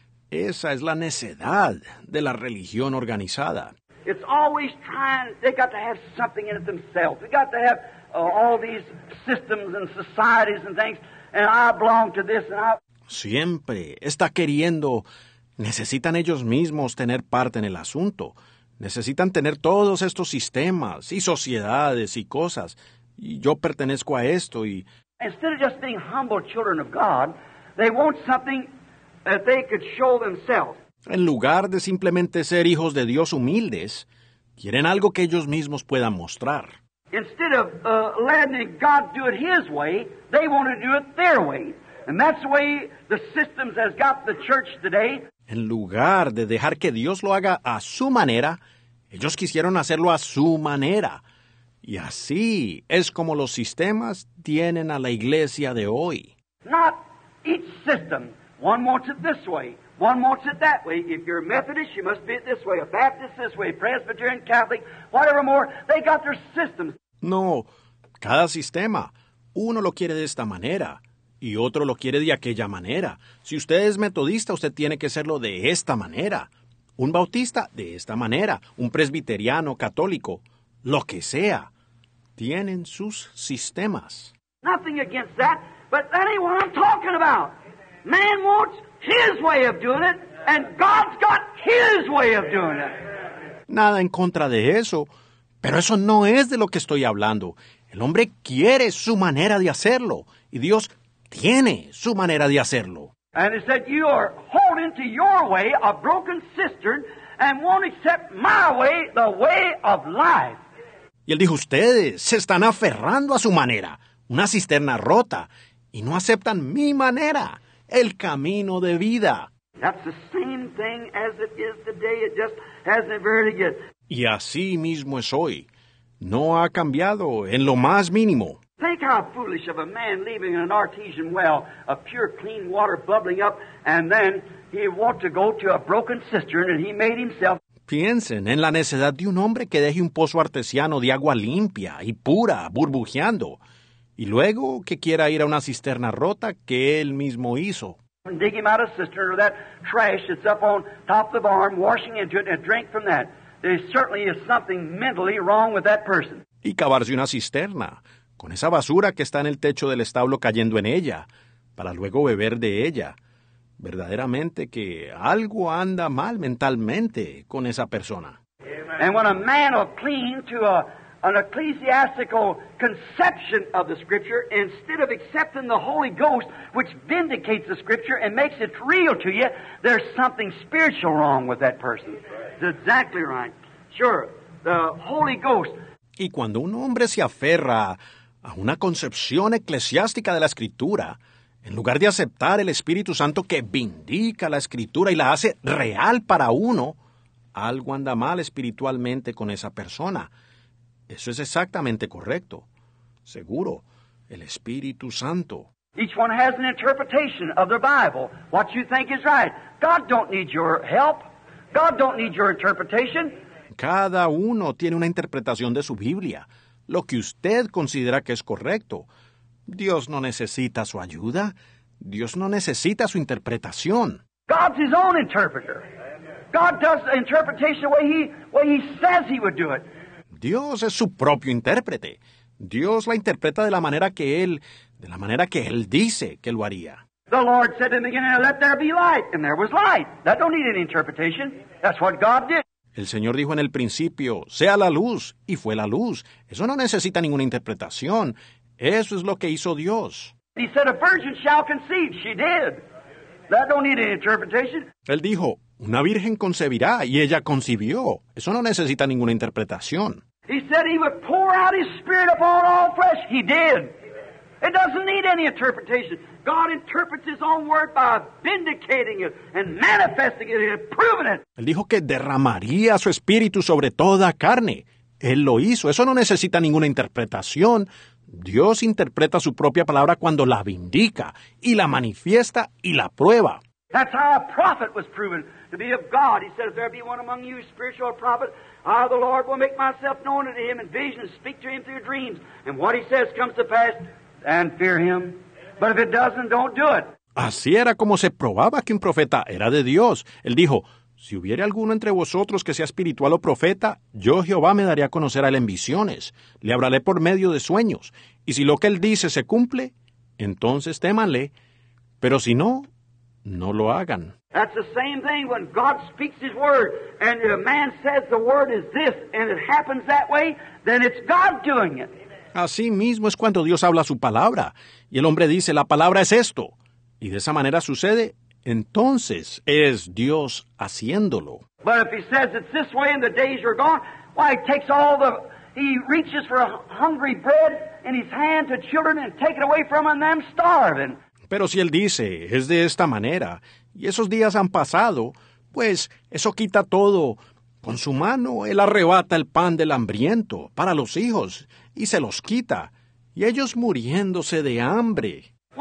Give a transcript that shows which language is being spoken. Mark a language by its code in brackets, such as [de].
[es] Esa es la necedad de la religión organizada. [en] It's always trying, they got to have something in it themselves. They got to have all these systems and societies and things, and I belong to this and I... [es] Siempre está queriendo, necesitan ellos mismos tener parte en el asunto. Necesitan tener todos estos sistemas y sociedades y cosas. Y yo pertenezco a esto y... [en] Instead of just being humble children of God, they want something that they could show themselves. [es] En lugar de simplemente ser hijos de Dios humildes, quieren algo que ellos mismos puedan mostrar. [en] Instead of letting God do it His way, they want to do it their way. And that's the way the systems has got the church today. [es] En lugar de dejar que Dios lo haga a su manera, ellos quisieron hacerlo a su manera. Y así es como los sistemas tienen a la iglesia de hoy. [en] Not each system. One wants it this way. One wants it that way. If you're a Methodist, you must be it this way. A Baptist this way. Presbyterian, Catholic, whatever more. They got their systems. [es] No. Cada sistema. Uno lo quiere de esta manera. Y otro lo quiere de aquella manera. Si usted es metodista, usted tiene que serlo de esta manera. un bautista de esta manera, un presbiteriano católico, lo que sea, tienen sus sistemas. [en] Nothing against that, but that ain't what I'm talking about. Man wants his way of doing it, and God's got his way of doing it. [es] Nada en contra de eso, pero eso no es de lo que estoy hablando. El hombre quiere su manera de hacerlo, y Dios tiene su manera de hacerlo. [en] And it's that you are holding to your way, a broken cistern, and won't accept my way, the way of life. [es] Y él dijo, ustedes se están aferrando a su manera, una cisterna rota, y no aceptan mi manera, el camino de vida. [en] That's the same thing as it is today, it just hasn't very good. [es] Y así mismo es hoy. No ha cambiado en lo más mínimo. [en] Think how foolish of a man leaving an artesian well, a pure clean water bubbling up, and then he want to go to a broken cistern and he made himself. [es] Piensen en la necedad de un hombre que deje un pozo artesiano de agua limpia y pura, burbujeando, y luego que quiera ir a una cisterna rota que él mismo hizo. [en] And dig him out a cistern or that trash that's up on top of the barn, washing into it and drink from that. There certainly is something mentally wrong with that person. [es] Y cavarse una cisterna con esa basura que está en el techo del establo cayendo en ella, para luego beber de ella. Verdaderamente que algo anda mal mentalmente con esa persona. [en] And when a man will cling to an ecclesiastical conception of the Scripture, instead of accepting the Holy Ghost, which vindicates the Scripture and makes it real to you, there's something spiritual wrong with that person. That's exactly right. Sure, the Holy Ghost. [es] Y cuando un hombre se aferra a una concepción eclesiástica de la Escritura, en lugar de aceptar el Espíritu Santo que vindica la Escritura y la hace real para uno, algo anda mal espiritualmente con esa persona. Eso es exactamente correcto. Seguro, el Espíritu Santo. [en] Each one has an interpretation of their Bible, what you think is right. God don't need your help. God don't need your interpretation. [es] Cada uno tiene una interpretación de su Biblia, lo que usted considera que es correcto. Dios no necesita su ayuda. Dios no necesita su interpretación. [en] God's his own interpreter. God does the interpretation the way he says he would do it. [es] Dios es su propio intérprete. Dios la interpreta de la manera que él, de la manera que él dice que lo haría. [en] The Lord said in the beginning, let there be light, and there was light. That don't need any interpretation. That's what God did. [es] El Señor dijo en el principio, sea la luz, y fue la luz. Eso no necesita ninguna interpretación. Eso es lo que hizo Dios. [en] He said, a virgin shall conceive. She did. That don't need any interpretation. [es] Él dijo, una virgen concebirá, y ella concibió. Eso no necesita ninguna interpretación. [en] He said he would pour out his spirit upon all flesh. He did. It doesn't need any interpretation. God interprets his own word by vindicating it and manifesting it and proving it. [es] Él dijo que derramaría su espíritu sobre toda carne. Él lo hizo. Eso no necesita ninguna interpretación. Dios interpreta su propia palabra cuando la vindica y la manifiesta y la prueba. [en] That's how a prophet was proven to be of God. He said, if there be one among you, spiritual prophet, I, the Lord, will make myself known unto him in visions, speak to him through dreams. And what he says comes to pass, and fear him. But if it doesn't, don't do it. [es] Así era como se probaba que un profeta era de Dios. Él dijo, si hubiere alguno entre vosotros que sea espiritual o profeta, yo, Jehová, me daré a conocer a él en visiones. Le hablaré por medio de sueños. Y si lo que él dice se cumple, entonces témanle. Pero si no, no lo hagan. [en] That's the same thing when God speaks his word, and a man says the word is this, and it happens that way, then it's God doing it. [es] Así mismo es cuando Dios habla su palabra, y el hombre dice, la palabra es esto, y de esa manera sucede, entonces es Dios haciéndolo. [en] But if he says it's this way and the days are gone, why, he takes all the, he reaches for a hungry bread in his hand to children and take it away from them, and them starving. [es] Pero si él dice, es de esta manera, y esos días han pasado, pues eso quita todo. Con su mano, él arrebata el pan del hambriento para los hijos, y se los quita, y ellos muriéndose de hambre.